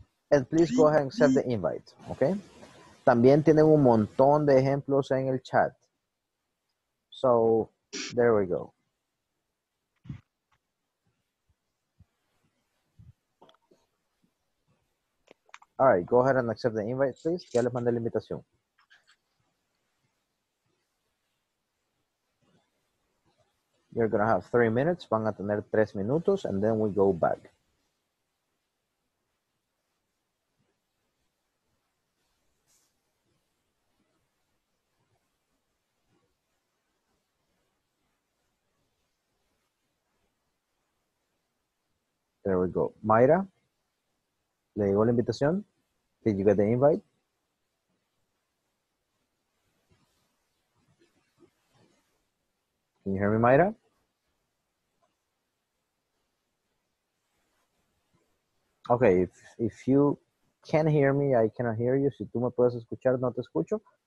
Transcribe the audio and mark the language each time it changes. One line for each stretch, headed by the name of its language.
English: And please go ahead and send the invite, okay?
Spanish: También tienen un montón de ejemplos en el chat.
English: So there we go. All right, go ahead and accept the invite, please.
Spanish: Ya les mandé la invitación.
English: You're going to have 3 minutes.
Spanish: Van a tener 3 minutos,
English: and then we go back. There we go. Mayra,
Spanish: ¿le llegó la invitación?
English: Did you get the invite? you hear me, Mayra? Okay, if you can hear me, I cannot hear you.
Spanish: Si tú me puedes escuchar, no te escucho.